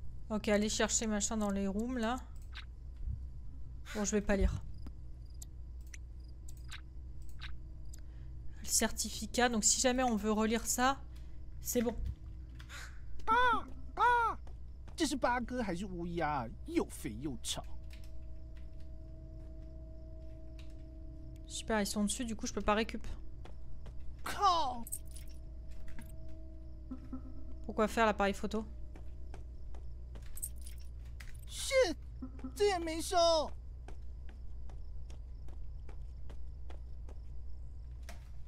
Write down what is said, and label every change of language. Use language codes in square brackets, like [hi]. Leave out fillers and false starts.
[fr] Ok, allez chercher machin dans les rooms là. Bon, je vais pas lire. Le certificat, donc si jamais on veut relire ça, c'est bon. Ah, ah. [zh] 这是八哥还是乌鸦？又肥又吵。 [fr] Super, ils sont dessus, du coup je peux pas récup. Quand ? Pourquoi faire l'appareil photo ? [en] Shit [fr] ! T'es méchant !